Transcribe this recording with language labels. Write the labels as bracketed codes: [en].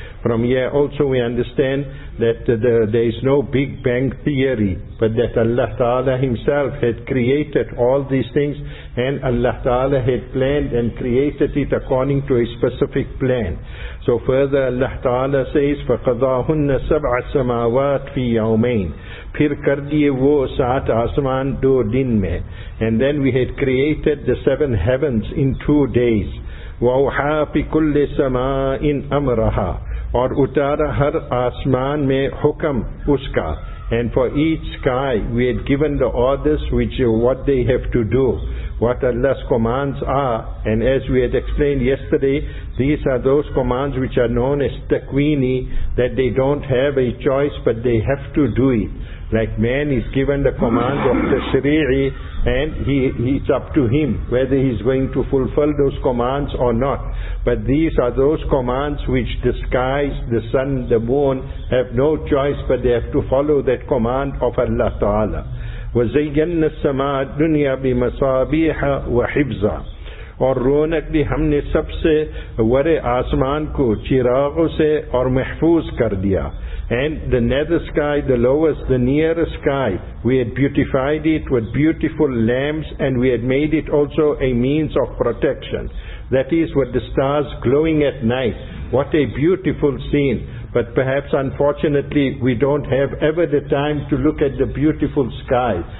[en] From here also we understand that there is no Big Bang theory, but that Allah Ta'ala himself had created all these things, and Allah Ta'ala had planned and created it according to a specific plan. So further Allah Ta'ala says, [ar] فَقَضَاهُنَّ سَبْعَ السَّمَاوَاتِ فِي يَوْمَيْنِ [ur] پھر کر دیئے وہ سات آسمان دو دن میں. [en] And then we had created the seven heavens in 2 days. [ar] وَأُحَا بِكُلِّ سَمَاءٍ أَمْرَهَا [ur] اور اتارا ہر آسمان میں حکم اس کا. [en] And for each sky we had given the orders which what they have to do, what Allah's commands are. And as we had explained yesterday, these are those commands which are known as takwini, that they don't have a choice but they have to do it. Like man is given the command of the shari'i, and it's up to him whether he's going to fulfill those commands or not. But these are those commands which the skies, the sun, the moon have no choice but they have to follow that command of Allah Ta'ala. [ar] وَزَيَّنَّ السَّمَاءَ الدُّنْيَا بِمَصَابِيحَ وَحِفْظًا [ur] اور رونق بھی ہم نے سب سے ورے آسمان کو چراغوں سے اور محفوظ کر دیا. [en] And the nether sky, the lowest, the nearest sky, we had beautified it with beautiful lamps, and we had made it also a means of protection. That is with the stars glowing at night. What a beautiful scene. But perhaps unfortunately we don't have ever the time to look at the beautiful sky.